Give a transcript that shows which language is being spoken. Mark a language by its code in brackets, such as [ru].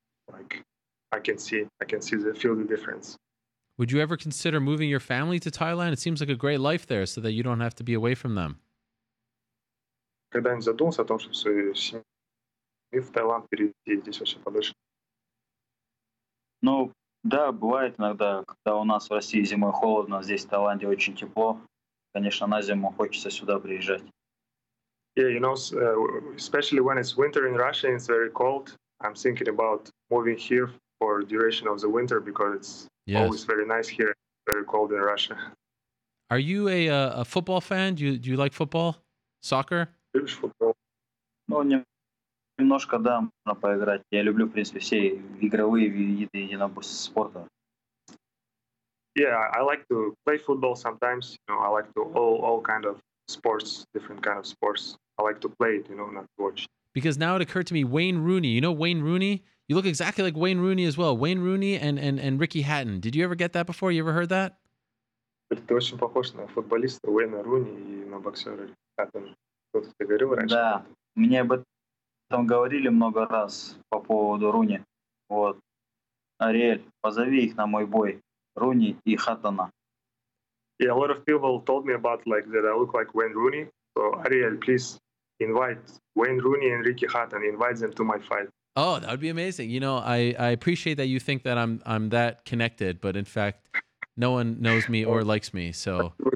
[en] Like I can see the feel the difference. Would you ever consider moving your family to Thailand? It seems like a great life there, so that you don't have to be away from them. [ru] Когда-нибудь задумался о том, чтобы свою семью и в Таиланд перейти, здесь вообще подольше? Ну, да, бывает иногда, когда у нас в России зимой холодно, здесь в Таиланде очень тепло. Конечно, на зиму хочется сюда приезжать. [en] Yeah, you know, especially when it's winter in Russia, it's very cold. I'm thinking about moving here for duration of the winter because it's always very nice here, very cold in Russia. Are you a football fan? Do you like football? Soccer? [ru] Любишь футбол? Ну, нет. Немножко, да, можно поиграть. Я люблю, в принципе, все игровые виды единоборств спорта. [en] Yeah, I like to play football sometimes. You know, I like to all kind of sports, different kind of sports. I like to play it, you know, not watch. Because now it occurred to me, Wayne Rooney. You know Wayne Rooney? You look exactly like Wayne Rooney as well. Wayne Rooney and Ricky Hatton. Did you ever get that before? You ever heard that? [ru] Ты очень похож на футболиста Уэйна Руни и на боксера Хаттон. Кто-то тебе говорил раньше? Да, мне об этом говорили много раз по поводу Руни. Вот. Ариэль, позови их на мой бой. Руни и Хаттона. [en] Yeah, a lot of people told me about like that I look like Wayne Rooney. So, Ariel, please invite Wayne Rooney and Ricky Hatton. Invite them to my fight. Oh, that would be amazing. You know, I appreciate that you think that I'm that connected, but in fact, no one knows me or likes me, so...